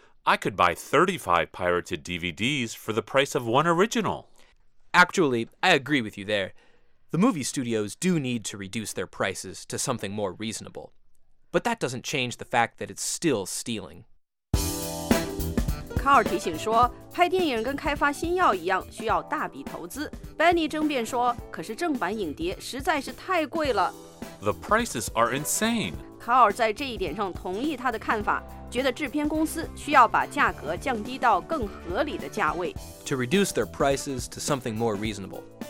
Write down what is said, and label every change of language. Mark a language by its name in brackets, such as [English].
[English] I could buy 35 pirated DVDs for the price of one original. Actually, I agree with you there. The movie studios do need to reduce their prices to something more reasonable. But that doesn't change the fact that it's still stealing. [Chinese] Carl 提醒说，拍电影跟开发新药一样，需要大笔投资。 Benny 争辩说，可是正版影碟实在是太贵了。 [English] The prices are insane. [Chinese] Carl 在这一点上同意他的看法，觉得制片公司需要把价格降低到更合理的价位。 [English] To reduce their prices to something more reasonable.